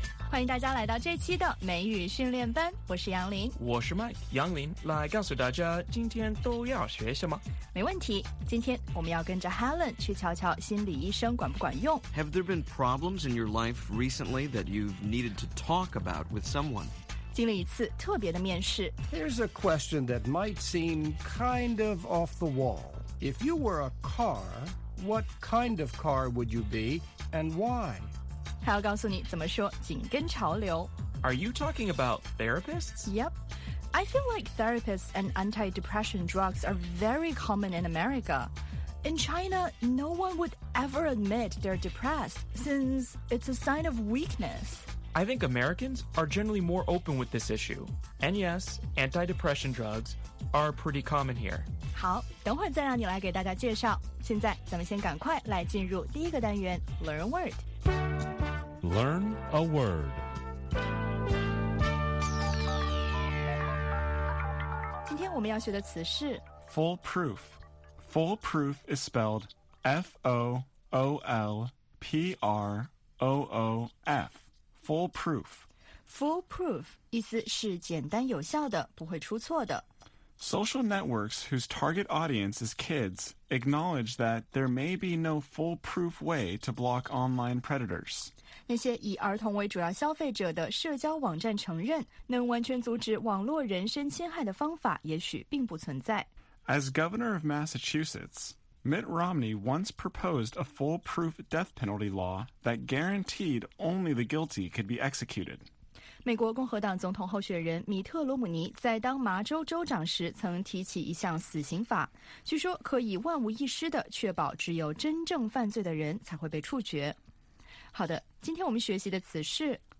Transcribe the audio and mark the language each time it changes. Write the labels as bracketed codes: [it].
[zh] 欢迎大家来到这期的美语训练班，我是杨林，我是 Mike 杨林，来告诉大家今天都要学什么。没问题，今天我们要跟着 Helen 去瞧瞧心理医生管不管用。 [en] Have there been problems in your life recently that you've needed to talk about with someone? [zh] 经历一次特别的面试。 [en] Here's a question that might seem kind of off the wall. If you were a car, what kind of car would you be and why? [zh] 还要告诉你怎么说紧跟潮流。 [en] Are you talking about therapists? Yep. I feel like therapists and anti-depression drugs are very common in America. In China, no one would ever admit they're depressed since it's a sign of weakness. I think Americans are generally more open with this issue. And yes, antidepressant drugs are pretty common here. [zh] 好，等会再让你来给大家介绍。现在咱们先赶快来进入第一个单元 [en] Learn Word. Learn a word. [zh] 今天我们要学的词是 [en] Foolproof. Foolproof is spelled F-O-O-L-P-R-O-O-F. Foolproof. [zh] Foolproof 意思是简单有效的，不会出错的。 [en] Social networks whose target audience is kids acknowledge that there may be no foolproof way to block online predators. [zh] 那些以儿童为主要消费者的社交网站承认，能完全阻止网络人身侵害的方法也许并不存在。 [en] As governor of Massachusetts,Mitt Romney once proposed a foolproof death penalty law that guaranteed only the guilty could be executed. [zh] 美国共和党总统候选人米特·罗姆尼在当麻州州长时曾提起一项死刑法，据说可以万无一失地确保只有真正犯罪的人才会被处决。好的，今天我们学习的词是